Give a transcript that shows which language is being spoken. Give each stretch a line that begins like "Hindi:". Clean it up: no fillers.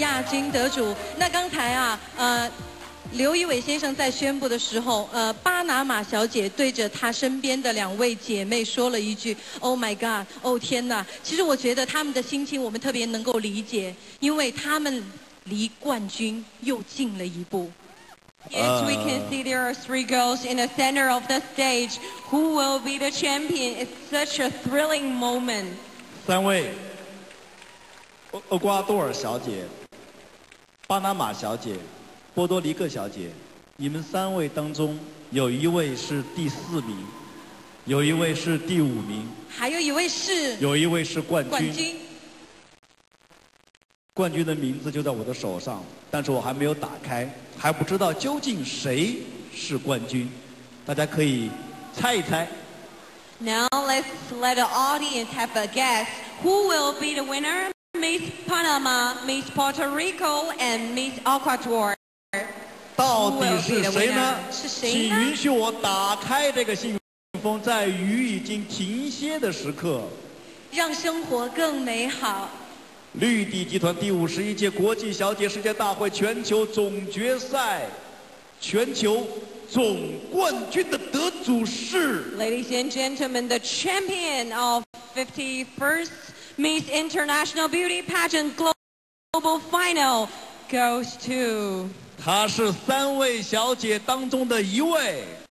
Chinese: 金得主，那刚才啊，刘一伟先生在宣布的时候，巴拿马小姐对着她身边的两位姐妹说了一句 ：
English: “Oh my God！”
Chinese: 哦天哪！其实我觉得他们的心情我们特别能够理解，因为他们离冠军又近了一步。
English: Yes, we can see there are three girls in the center of the stage. Who will be the champion? It's such a thrilling moment.
Chinese: 三位，厄瓜多尔小姐、巴拿马小姐、波多黎各小姐，你们三位当中有一位是第四名，有一位是第五名，还有一位是冠军。冠军的名字就在我的手上，但是我还没有打开，还不知道究竟谁是冠军，大家可以猜一猜。
English: Now let's let the audience have a guess. Who will be the winner? Miss Panama, Miss Puerto Rico, and Miss Ecuador.
Chinese: 到底是谁呢？是谁呢？请允许我打开这个信封，在雨已经停歇的时刻，让生活更美好。绿地集团第51届国际小姐世界大会全球总决赛全球总冠军的得主是
English: Ladies and gentlemen, the champion of 51st Miss International Beauty Pageant Global Final goes to
Chinese: 她是三位小姐当中的一位